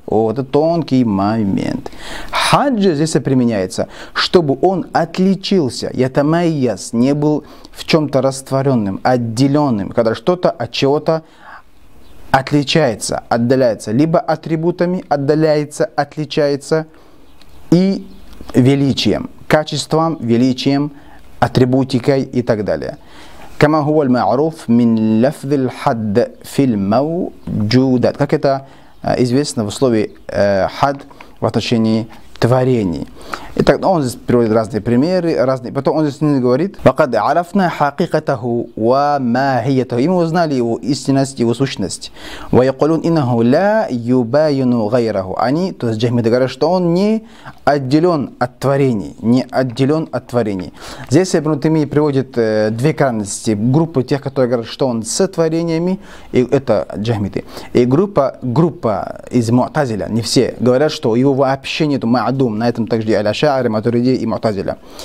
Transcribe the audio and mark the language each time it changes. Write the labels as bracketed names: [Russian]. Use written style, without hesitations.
[Russian] Вот это тонкий момент. Хад же здесь применяется, чтобы он отличился, ятамайяз, не был в чем-то растворенным, отделенным, когда что-то от чего-то отличается, отдаляется, либо атрибутами отдаляется, отличается, и величием, качеством, величием, атрибутикой и так далее. [Arabic] كما هو المعروف من لفظ الحد في الموجودات. [Russian] Как это известно в условии хад в отношении творений. Итак, он здесь приводит разные примеры, разные. Потом он здесь говорит: [Arabic] وقد عرفنا حقيقته وماهيته. [Russian] И мы узнали его истинность, его сущность. [Arabic] ويقولون إنه لا يباين غيره. [Russian] Они, то есть Джахмия, говорят, что он не отделен от творений, не отделен от творений. Здесь Ибн Таймия приводит две крайности: группу тех, которые говорят, что он с творениями, и это Джахмия, и группа из Муътазиля. Не все говорят, что его вообще нету. Адум, на этом также Аль-Ашаари, Матуриди и Мутазиля.